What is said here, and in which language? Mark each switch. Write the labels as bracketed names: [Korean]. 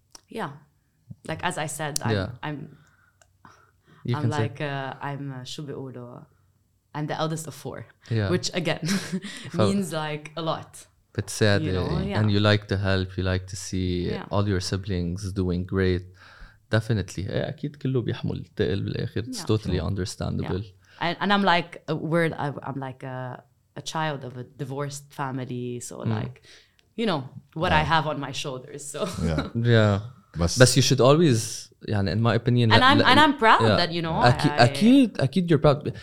[English] Yeah. Like, as I said, I'm the eldest of four, yeah. Which again means like a lot. But sad, you know, yeah. And you like to help, you like to see yeah. all your siblings doing great. Definitely. Yeah, [Arabic] أكيد كله بيحمل تقل بالآخر. [English] It's totally understandable. Yeah. And I'm like a word, I'm like a child of a divorced family. So like, you know, what I have on my shoulders. So But you should always, [Arabic] يعني [English] in my opinion. And I'm proud that, you know. [Arabic] أكيد [English] you're proud.